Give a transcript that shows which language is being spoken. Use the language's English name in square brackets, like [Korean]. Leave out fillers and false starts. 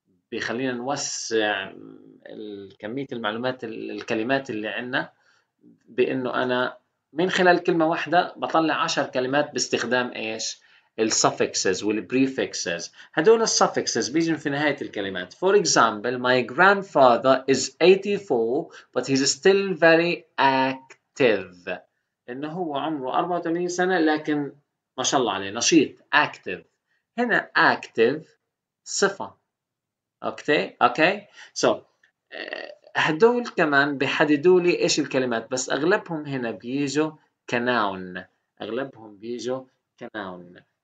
[Arabic] بيخلينا نوسع الكمية المعلومات الكلمات اللي عنا، بأنه أنا من خلال كلمة واحدة بطلع 10 كلمات باستخدام إيش؟ السفكسز والبريفكسز. هدول السفكسز بيجن في نهاية الكلمات. [English] For example, my grandfather is 84 but he's still very active. [Arabic] إنه هو عمره 84 سنة لكن ما شاء الله عليه نشيط، active. هنا active صفة. Okay. So هدول كمان بيحددوا لي ايش الكلمات، بس اغلبهم هنا بيجوا كناون، اغلبهم بيجوا كناون.